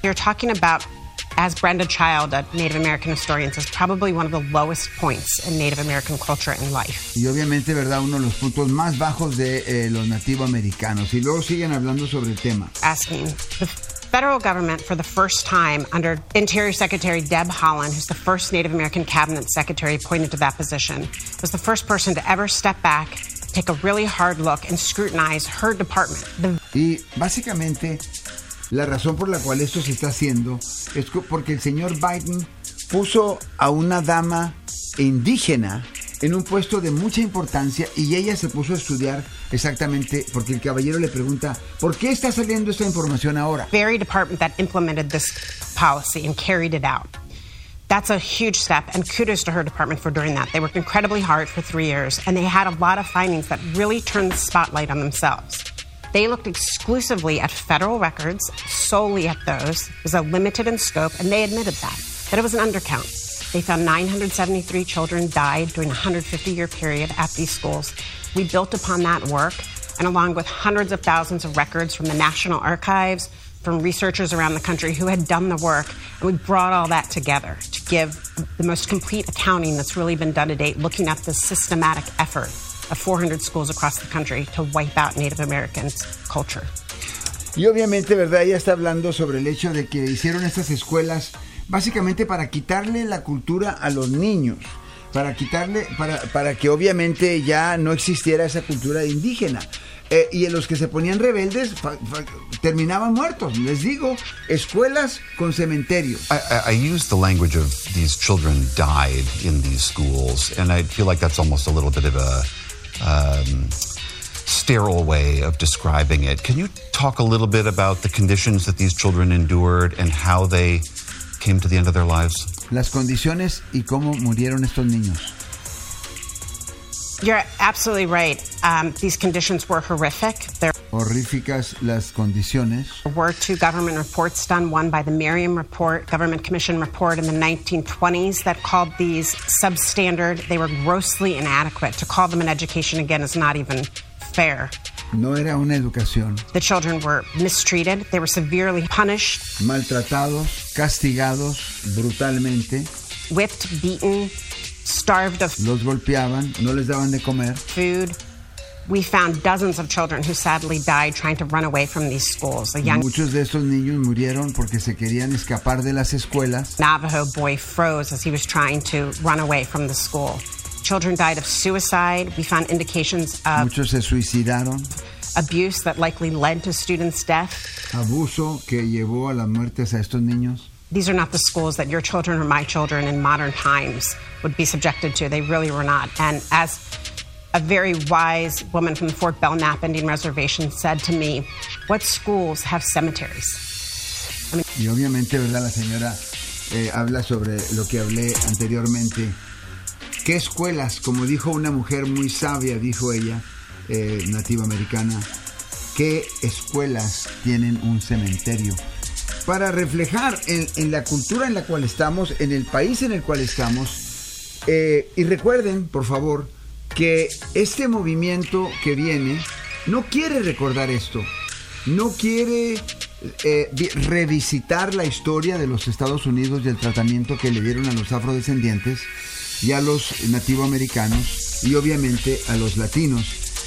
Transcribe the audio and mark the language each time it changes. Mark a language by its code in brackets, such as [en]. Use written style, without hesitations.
[en] You're talking about, as Brenda Child, a Native American historian, says, probably one of the lowest points in Native American culture and life. [es] Y obviamente, ¿verdad?, uno de los puntos más bajos de los nativoamericanos. Y luego siguen hablando sobre el tema. [en] Asking federal government for the first time under Interior Secretary Deb Haaland, who's the first Native American cabinet secretary appointed to that position, was the first person to ever step back, take a really hard look and scrutinize her department. [es] Y básicamente la razón por la cual esto se está haciendo es porque el señor Biden puso a una dama indígena en un puesto de mucha importancia y ella se puso a estudiar exactamente, porque el caballero le pregunta: ¿por qué está saliendo esta información ahora? [en] Very department that implemented this policy and carried it out. That's a huge step, and kudos to her department for doing that. They worked incredibly hard for 3 years and they had a lot of findings that really turned the spotlight on themselves. They looked exclusively at federal records, solely at those. It was a limited in scope, and they admitted that it was an undercount. They found 973 children died during a 150-year period at these schools. We built upon that work, and along with hundreds of thousands of records from the National Archives, from researchers around the country who had done the work, and we brought all that together to give the most complete accounting that's really been done to date, looking at the systematic effort of 400 schools across the country to wipe out Native Americans' culture. [es] Y obviamente, ¿verdad?, ella está hablando sobre el hecho de que hicieron estas escuelas básicamente para quitarle la cultura a los niños, para que obviamente ya no existiera esa cultura indígena. Y en los que se ponían rebeldes terminaban muertos. Les digo, escuelas con cementerios. [en] I use the language of these children died in these schools, and I feel like that's almost a little bit of a sterile way of describing it. Can you talk a little bit about the conditions that these children endured and how they came to the end of their lives? [es] Las condiciones y cómo murieron estos niños. [en] You're absolutely right. These conditions were horrific. [es] Horríficas las condiciones. [en] There were two government reports done, one by the Merriam Report, Government Commission report in the 1920s that called these substandard. They were grossly inadequate. To call them an education again is not even fair. [es] No era una educación. [en] The children were mistreated. They were severely punished. [es] Maltratados, castigados brutalmente. [en] Whipped, beaten, starved of. [es] Los golpeaban, no les daban de comer. [en] Food. We found dozens of children who sadly died trying to run away from these schools. [es] Muchos de estos niños murieron porque se querían escapar de las escuelas. [en] Navajo boy froze as he was trying to run away from the school. Children died of suicide. We found indications of... [es] Muchos se suicidaron. [en] Abuse that likely led to students' death. [es] Abuso que llevó a las muertes a estos niños. [en] These are not the schools that your children or my children in modern times would be subjected to. They really were not. And as a very wise woman from the Fort Belknap Indian Reservation said to me, what schools have cemeteries? [es] I mean, y obviamente, ¿verdad? La señora habla sobre lo que hablé anteriormente. ¿Qué escuelas? Como dijo una mujer muy sabia, dijo ella, nativa americana, ¿qué escuelas tienen un cementerio? Para reflejar en la cultura en la cual estamos, en el país en el cual estamos, y recuerden, por favor, que este movimiento que viene no quiere recordar esto, no quiere revisitar la historia de los Estados Unidos y el tratamiento que le dieron a los afrodescendientes y a los nativoamericanos y obviamente a los latinos.